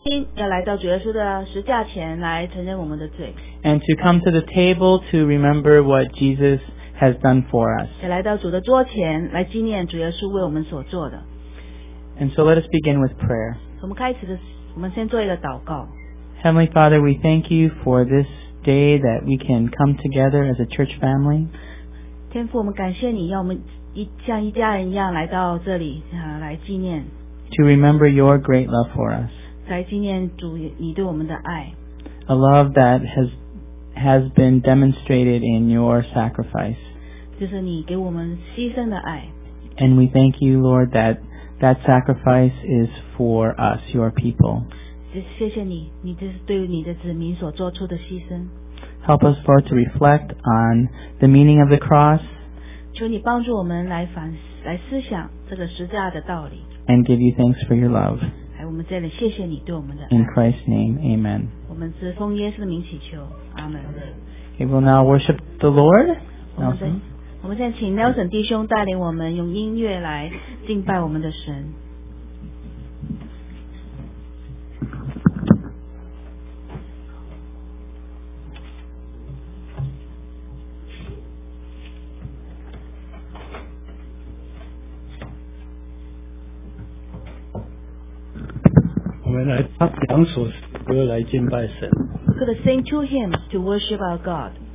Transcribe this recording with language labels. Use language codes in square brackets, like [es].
[zh] 心要来到主耶稣的十字架前来承认我们的罪。 [en] And to come to the table to remember what Jesus has done for us. [zh] 也来到主的桌前来纪念主耶稣为我们所做的。 [en] And so let us begin with prayer. [zh] 我们开始的，我们先做一个祷告。 [en] Heavenly Father, we thank you for this day that we can come together as a church family. [zh] 天父，我们感谢你，让我们像一家人一样来到这里，来纪念。 [en] To remember your great love for us. [zh] 来纪念主你对我们的爱。 [en] A love that has been demonstrated in your sacrifice. [zh] 就是你给我们牺牲的爱。 [en] And we thank you, Lord, that sacrifice is for us, your people. [zh] 谢谢你，你这是对你的子民所做出的牺牲。 [en] Help us, Lord, to reflect on the meaning of the cross. [zh] 求你帮助我们来反来思想这个十字架的道理。 [en] And give you thanks for your love. [zh] 来，我们这里谢谢你对我们的爱。 [en] In Christ's name, Amen. [zh] 我们是奉耶稣的名祈求，阿门。 [en] We will now worship the Lord. [zh] 我们现在请 Nelson 弟兄带领我们用音乐来敬拜我们的神。我们来唱两首歌来敬拜神。 [en] Could sing two hymns to worship our God.